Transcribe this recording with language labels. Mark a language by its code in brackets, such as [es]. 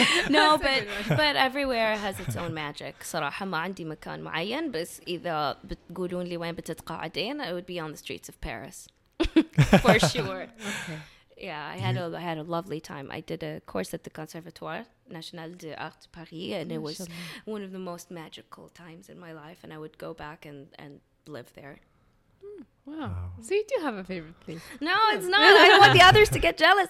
[en] No, but everywhere has its own magic. [ar] صراحة ما عندي مكان معين بس إذا بتقولون لي وين بتتقاعدين, [en] it would be on the streets of Paris. For sure. Okay. Yeah, I had a lovely time. I did a course at the Conservatoire National d'Art de Paris, and it was one of the most magical times in my life, and I would go back and live there. Wow. So you do have a favorite place. No, it's not. I don't want the others to get jealous.